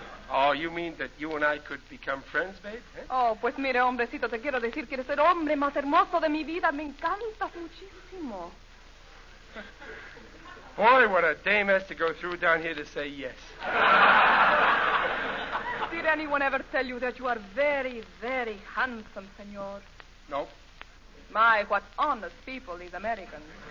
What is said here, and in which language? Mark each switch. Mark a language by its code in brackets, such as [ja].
[en] Oh, you mean that you and I could become friends, babe? Eh? [es] Oh, pues mire, hombrecito, te quiero decir que eres el hombre más hermoso de mi vida. Me encantas muchísimo. [en] Boy, what a dame has to go through down here to say yes. Did anyone ever tell you that you are very, very handsome, señor? No. My, what honest people, these Americans.